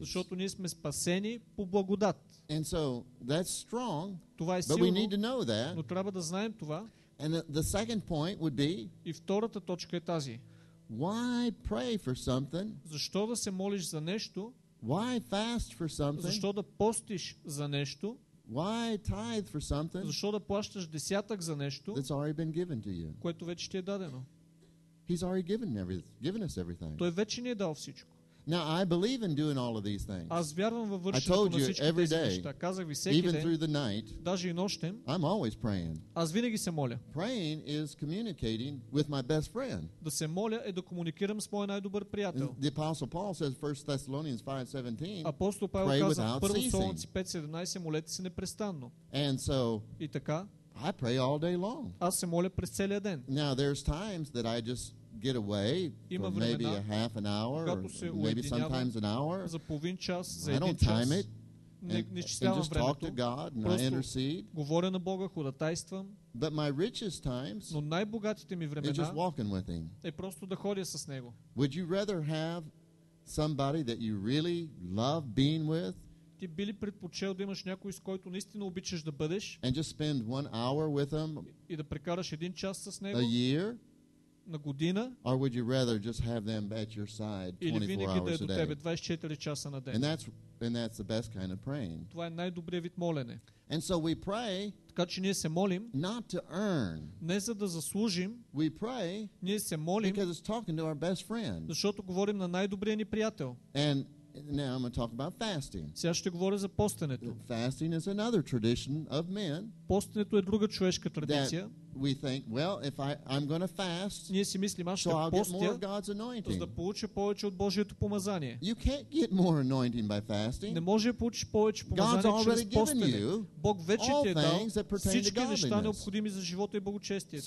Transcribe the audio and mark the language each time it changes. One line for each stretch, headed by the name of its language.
Bulgarian: Защото ние сме спасени по благодат.
English: And so that's strong.
Bulgarian: Това е силно.
English: But we need to know that.
Bulgarian: Но трябва да знаем това.
English: And the second point would be.
Bulgarian: И втората точка е тази.
English: Why pray for something?
Bulgarian: Защо да се молиш за нещо?
English: Why fast for something?
Bulgarian: Защо да постиш за нещо?
English: Why tithe for something?
Bulgarian: Защо да плащаш десятък за нещо?
English: That's already been given to you.
Bulgarian: Което вече ти е дадено.
English: He's already given us everything.
Bulgarian: Той вече ни е дал всичко.
English: Now I believe in doing all of these things.
Bulgarian: Аз вярвам във вършенето на всички тези неща. Казах ви всеки
English: even
Bulgarian: ден.
English: Through the night,
Bulgarian: даже и нощем.
English: I'm always praying.
Bulgarian: Аз винаги се моля.
English: Praying is communicating with my best friend.
Bulgarian: Да се моля е да комуникирам с мой най-добър приятел.
English: The Apostle Paul says 1 Thessalonians 5:17.
Bulgarian: Апостол Павел казва в 1 Солунци 5:17 молете се непрестанно.
English: And so
Bulgarian: и така,
English: I pray all day long.
Bulgarian: Аз се моля през целия ден.
English: Now there's times that I just get away for maybe a half an hour or maybe sometimes an hour.
Bulgarian: За половин час, за един час.
English: I don't time it.
Bulgarian: Не считам времето.
English: Just talk to God and I intercede.
Bulgarian: Говоря на Бога, ходатайствам.
English: But my richest times,
Bulgarian: но най-богатите ми времена,
English: is just walking with him.
Bulgarian: Е просто да ходя с него.
English: Would you rather have somebody that you really love being with?
Bulgarian: Ти би ли предпочел да имаш някой, с който наистина обичаш да бъдеш?
English: And just spend 1 hour with him.
Bulgarian: И да прекараш един час с него?
English: A year?
Bulgarian: На година,
English: or would you rather just have them at your side 24 hours a day? And that's the best kind of praying.
Bulgarian: Това е най-добрият вид молене.
English: And so we pray,
Bulgarian: така че ние се молим,
English: not to earn,
Bulgarian: не за да заслужим.
English: We pray,
Bulgarian: ние се молим,
English: because it's talking to our best friend.
Bulgarian: Защото говорим на най-добрия ни приятел.
English: And now I'm going to talk about fasting.
Bulgarian: Сега ще говоря за постенето.
English: Fasting is another tradition of men.
Bulgarian: Постенето е друга човешка традиция.
English: We think, well, if I'm going to fast,
Bulgarian: ние си мислим, аз ще
English: so
Bulgarian: постя,
English: I'll get more of God's anointing.
Bulgarian: За да получа повече от Божието помазание.
English: You can't get more anointing by fasting.
Bulgarian: Не може да получиш повече помазание чрез постене. Бог вече ти е дал всички неща необходими за живота и благочестието.